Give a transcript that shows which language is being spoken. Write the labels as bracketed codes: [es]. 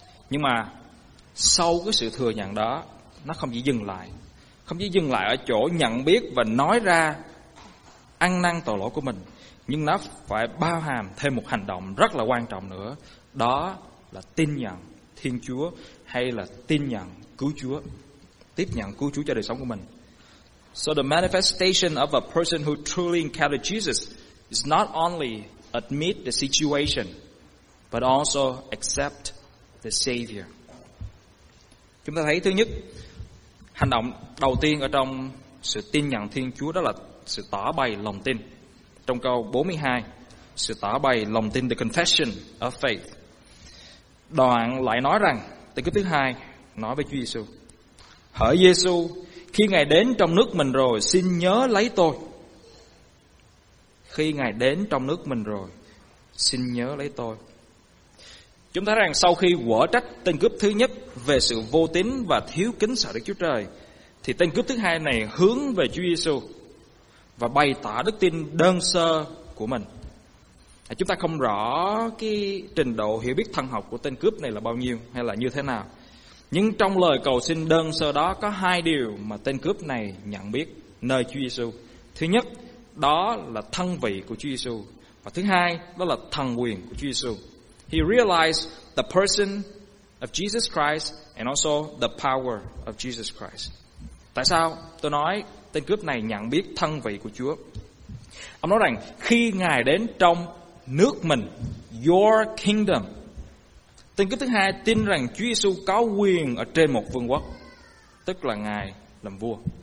[vi] Nhưng mà sau cái sự thừa nhận đó, nó không chỉ dừng lại, không chỉ dừng lại ở chỗ nhận biết và nói ra ăn năn tội lỗi của mình, nhưng nó phải bao hàm thêm một hành động rất là quan trọng nữa, đó là tin nhận Thiên Chúa hay là tin nhận cứu Chúa, tiếp nhận cứu Chúa cho đời sống của mình. [en] So the manifestation of a person who truly encountered Jesus is not only admit the situation, but also accept the Savior. [vi] Chúng ta thấy thứ nhất, hành động đầu tiên ở trong sự tin nhận Thiên Chúa đó là sự tỏ bày lòng tin. Trong câu 42, sự tỏ bày lòng tin, [en] the confession of faith. [vi] Đoạn lại nói rằng, từ cái thứ hai, nói với Chúa Giê-xu. Hỡi Giê-xu, khi Ngài đến trong nước mình rồi, xin nhớ lấy tôi. Khi Ngài đến trong nước mình rồi, xin nhớ lấy tôi. Chúng ta thấy rằng sau khi quở trách tên cướp thứ nhất về sự vô tín và thiếu kính sợ Đức Chúa Trời, thì tên cướp thứ hai này hướng về Chúa Giê-xu và bày tỏ đức tin đơn sơ của mình. Chúng ta không rõ cái trình độ hiểu biết thần học của tên cướp này là bao nhiêu hay là như thế nào. Nhưng trong lời cầu xin đơn sơ đó có hai điều mà tên cướp này nhận biết nơi Chúa Giê-xu. Thứ nhất, đó là thân vị của Chúa Giê-xu. Và thứ hai, đó là thần quyền của Chúa Giê-xu. [en] He realized the person of Jesus Christ and also the power of Jesus Christ. [vi] Tại sao tôi nói tên cướp này nhận biết thân vị của Chúa? Ông nói rằng khi Ngài đến trong nước mình, [en] your kingdom. [vi] Tên cướp thứ hai tin rằng Chúa Giê-xu có quyền ở trên một vương quốc, tức là Ngài làm vua.